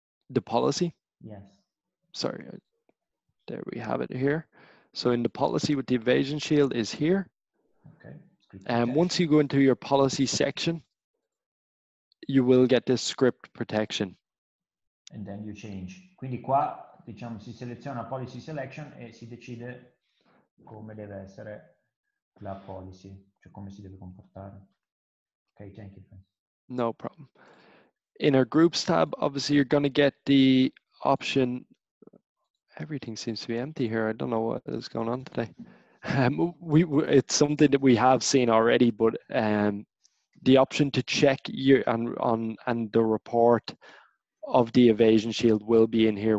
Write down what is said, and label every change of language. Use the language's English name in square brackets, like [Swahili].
[English] The policy? Yes. Sorry. There we have it here. So in the policy with the evasion shield is here. Okay. And once you go into your policy section, you will get this script protection. And then you change. [Italian] Quindi qua... diciamo si seleziona policy selection e si decide come deve essere la policy, cioè come si deve comportare. [English] Okay, thank you. No problem. In our groups tab, obviously you're going to get the option. Everything seems to be empty here. I don't know what is going on today. It's something that we have seen already, but the option to check your and the report of the evasion shield will be in here.